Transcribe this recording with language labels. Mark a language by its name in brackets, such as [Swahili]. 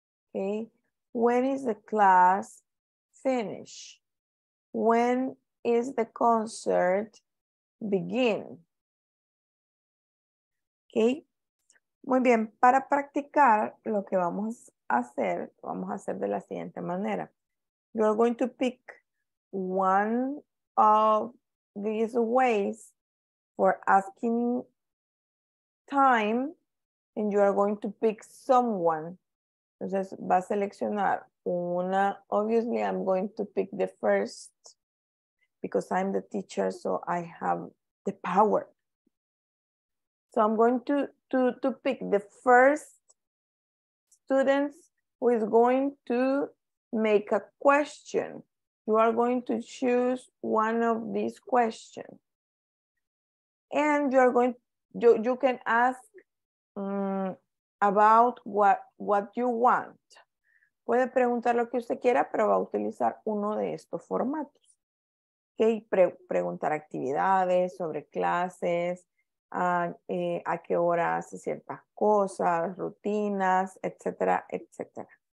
[English] Okay, when is the class finish? When is the concert begin? Okay. [Spanish] Muy bien, para practicar lo que vamos a hacer de la siguiente manera. [English] You are going to pick one of these ways for asking time, and you are going to pick someone. [Spanish] Entonces va a seleccionar una. [English] Obviously I'm going to pick the first because I'm the teacher, so I have the power. So I'm going to pick the first students who is going to make a question. You are going to choose one of these questions. And you can ask about what you want. [Spanish] Puede preguntar lo que usted quiera, pero va a utilizar uno de estos formatos. ¿Okay? Preguntar actividades, sobre clases, a qué hora hace ciertas cosas, rutinas, etcétera, etcétera.